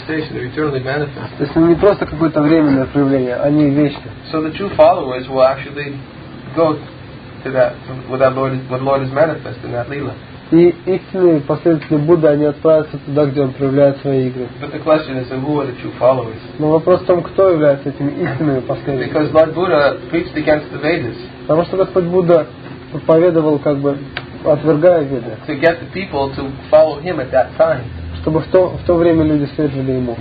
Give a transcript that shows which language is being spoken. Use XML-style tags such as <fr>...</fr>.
<ru>То есть они не просто какое-то временное проявление, они вечны.</ru> <en>So the true followers will actually go to that, where that Lord, where Lord is manifest in that lila.</en> <ru>И истинные последователи Будды, они отправятся туда, где он проявляет свои игры.</ru> <en>But the question is, who are the true followers?</en> <ru>Но вопрос в том, кто является этими истинными последователями.</ru> <en>Because Lord Buddha preached against the Vedas.</en> <ru>Потому что Господь Будда проповедовал, как бы, отвергая Веды.</ru> <en>To get the people to follow him at that time.</en> <ru>Чтобы в то время люди следовали ему.</ru>